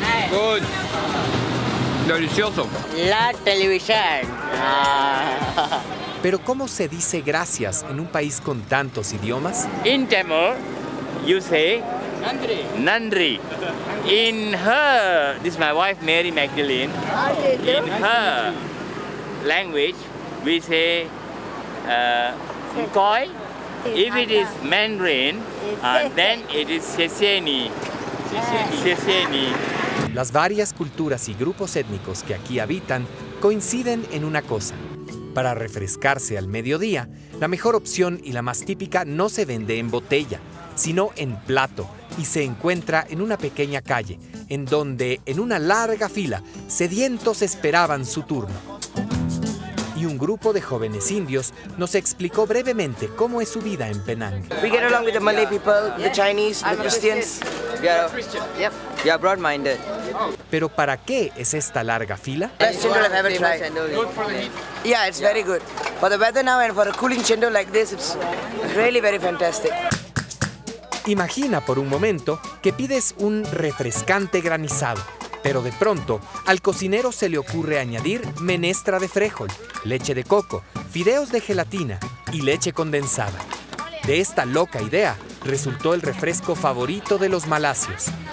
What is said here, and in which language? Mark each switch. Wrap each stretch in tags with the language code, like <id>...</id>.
<en>Good. Delicioso.</en> <es>La televisión. Pero ¿cómo se dice gracias en un país con tantos idiomas?</es> <en>In Tamil, you say</en> <ta>Nandri. Nandri.</ta> <en>In her, this is my wife Mary Magdalene. In her language, we say Mkoy. If it is Mandarin, then it is Seseni.</en> <es>Las varias culturas y grupos étnicos que aquí habitan coinciden en una cosa. Para refrescarse al mediodía, la mejor opción y la más típica no se vende en botella, sino en plato, y se encuentra en una pequeña calle, en donde, en una larga fila, sedientos esperaban su turno. y un grupo de jóvenes indios nos explicó brevemente cómo es su vida en Penang.</es> <en>We get along with the Malay people, the Chinese, the Christians. Yeah. Yep. Yeah, broad-minded.</en> <es>Pero ¿para qué es esta larga fila?</es> <en>Best chendol I've ever tried. Good for the heat. Yeah, it's very good. For the weather now and for a cooling chendol like this, it's really very fantastic.</en> <es>Imagina por un momento que pides un refrescante granizado, pero de pronto al cocinero se le ocurre añadir menestra de fréjol, leche de coco, fideos de gelatina y leche condensada. De esta loca idea resultó el refresco favorito de los malasios.</es>